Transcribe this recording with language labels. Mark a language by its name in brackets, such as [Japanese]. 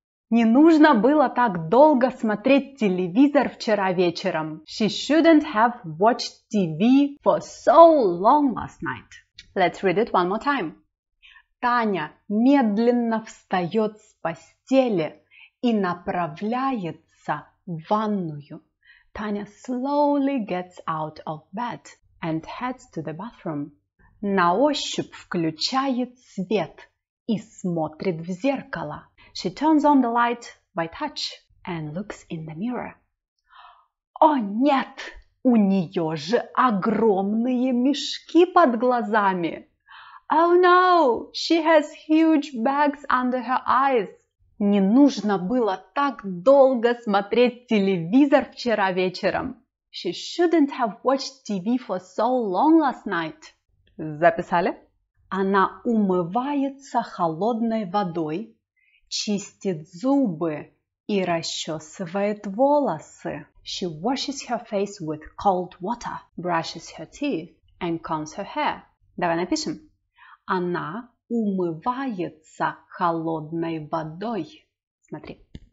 [Russian] Не нужно было так долго смотреть телевизор вчера вечером. [English] She shouldn't have watched TV for so long last night. Let's read it one more time. [Russian] Таня медленно встает с постели и направляется в ванную. [English] Таня slowly gets out of bed and heads to the bathroom. [Russian] На ощупь включает свет и смотрит в зеркало. [English] She turns on the light by touch and looks in the mirror. [Russian] О, нет! У нее же огромные мешки под глазами! [English] Oh no! She has huge bags under her eyes. [Russian] Не нужно было так долго смотреть телевизор вчера вечером. [English] She shouldn't have watched TV for so long last night. [Russian] Записали? Она умывается холодной водой. Чистит зубы и расчесывает волосы. [English] She washes her face with cold water, brushes her teeth, and combs her hair. [Russian] Давай напишем. Она умывается холодной водой. Смотри.